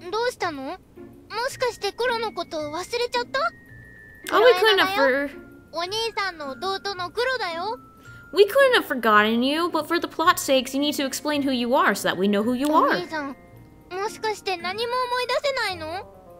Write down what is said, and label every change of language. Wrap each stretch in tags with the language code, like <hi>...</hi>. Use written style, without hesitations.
<ja>どうしたの?もしかしてクロのことを忘れちゃった?</ja> <en>Oh, we couldn't have for...</en> <ja>お兄さんの弟のクロだよ?</ja> <en>We couldn't have forgotten you, but for the plot's sakes, you need to explain who you are so that we know who you are.</en> <ja>お兄さん、もしかして何も思い出せないの?</ja>